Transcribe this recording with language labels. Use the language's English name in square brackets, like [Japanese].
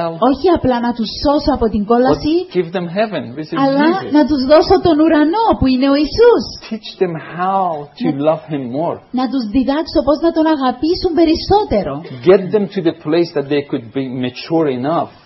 [Greek] Όχι απλά να τους σώσω από την κόλαση. [English] Give them heaven, [Greek] αλλά [English] Jesus. [Greek] Να τους δώσω τον ουρανό που είναι ο Ιησούς. [English] Teach them how to love him more. [Greek] Να τους διδάξω πώς να τον αγαπήσουν περισσότερο. [English] Get them to the place that they could be mature enough.